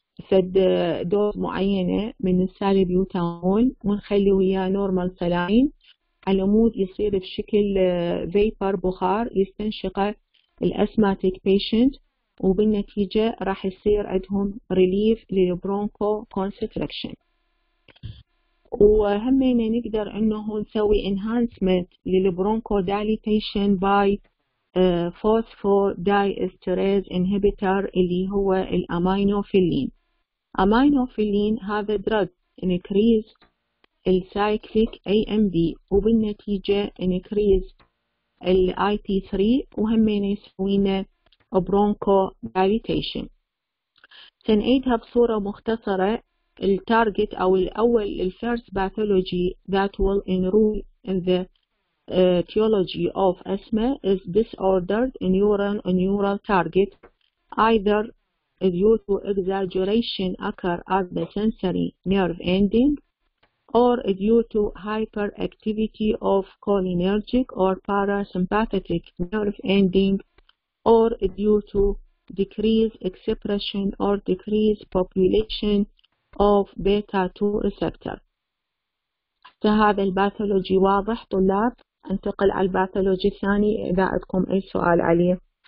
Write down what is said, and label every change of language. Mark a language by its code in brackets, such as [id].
[ar] سد دوز معينة من السالبيوتامول ونخلي وياه [en] normal saline [ar] على مود يصير بشكل فيبر بخار يستنشقه الأسماتيك بيشنت وبالنتيجة راح يصير عندهم [en] Relief للبرونكو constriction. [ar] وهمين نقدر انه نسوي انهانسمنت للبرونكو داليتيشن باي [en] phosphodiesterase inhibitor [ar] اللي هو الامينوفيلين. [en] aminophylline هذا drug increase the cyclic AMP [ar] وبالنتيجة [en] increase the IP3 [ar] وهمين يسوينا [en] bronchodilation. [ar] سنعيدها بصورة مختصرة [en] التارجت او الاول الفيرست pathology that will enroll in the etiology of asthma is disordered neural target either due to exaggeration occur at the sensory nerve ending or due to hyperactivity of cholinergic or parasympathetic nerve ending or due to decreased expression or decreased population of beta 2 receptor. [ar] فهذا الباثولوجي واضح طلاب. انتقل على الباثولوجي الثاني إذا عندكم أي سؤال عليه.